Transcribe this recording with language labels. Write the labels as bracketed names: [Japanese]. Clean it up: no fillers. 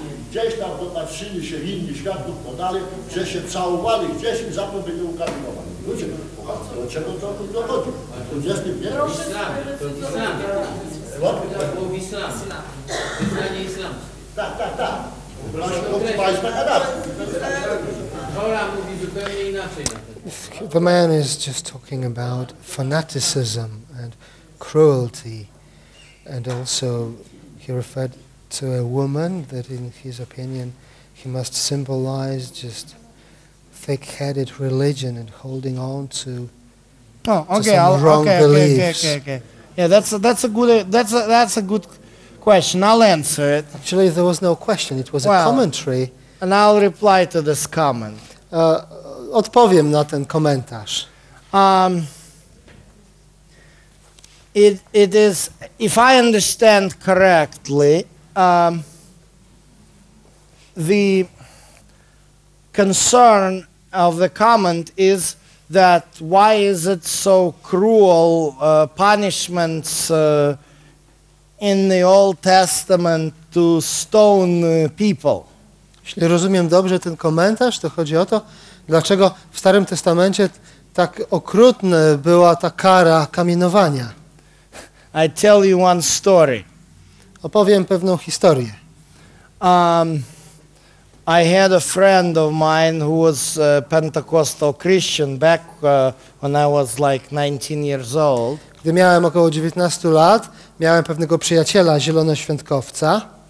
[Polish] Gdzieś tam popatrzyli się inni świadków podali, że się całowali gdzieś i za to byli ukamienowani. Ludzie, kochani, do czego to dochodzi? To jest islam. To jest islam. To było w islamie. Wyznanie islamskie. Tak, tak, tak. Proszę określić. Hora mówi zupełnie inaczej. [English] The man is just talking about fanaticism and cruelty, and also he referred to a woman that in his opinion he must symbolize just thick-headed religion and holding on to some wrong beliefs. Yeah, that's a good question. I'll answer it. Actually, there was no question. It was a commentary. And I'll reply to this comment. [Polish] Odpowiem na ten komentarz. [English] It is, if I understand correctly, the concern of the comment is that why is it so cruel punishments in the Old Testament to stone people? [Polish] Jeśli rozumiem dobrze ten komentarz, to chodzi o to, dlaczego w Starym Testamencie tak okrutna była ta kara kamienowania? [English] I tell you one story. [Polish] Opowiem pewną historię. [English] I had a friend of mine who was a Pentecostal Christian back when I was like 19 years old. [Polish] Gdy miałem około 19 lat, miałem pewnego przyjaciela zielonoświętkowca.